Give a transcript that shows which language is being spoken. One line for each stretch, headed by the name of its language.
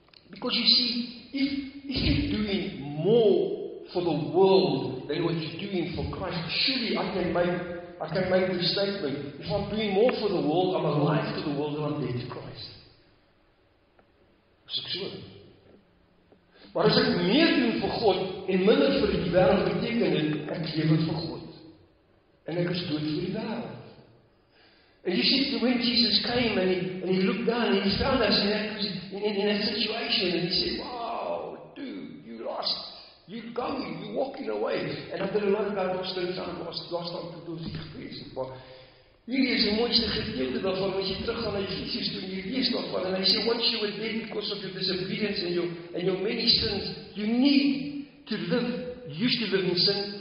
English: Because you see, if you're doing more for the world than what you're doing for Christ, surely I can make this statement. If I'm doing more for the world, I'm alive to the world and I'm dead to Christ. Sure.
Afrikaans: Maar as ek meer doen vir God en minder vir die wêreld beteken dit, ek lewe vir God. En ek is dood vir die wêreld.
English: And you see, when Jesus came and he looked down and he found us in a situation and he said, wow, dude, you lost. You're going, you're walking away. And I've been a lot about those things I've lost on to those things.
Afrikaans: Hierdie is die mooiste gedeelte daarvan, as jy teruggaan na Jesus toe, en jy lees daarvan, en hy sê,
English: once you are dead because of your disobedience and your many sins, you need to live, you used to live in sin,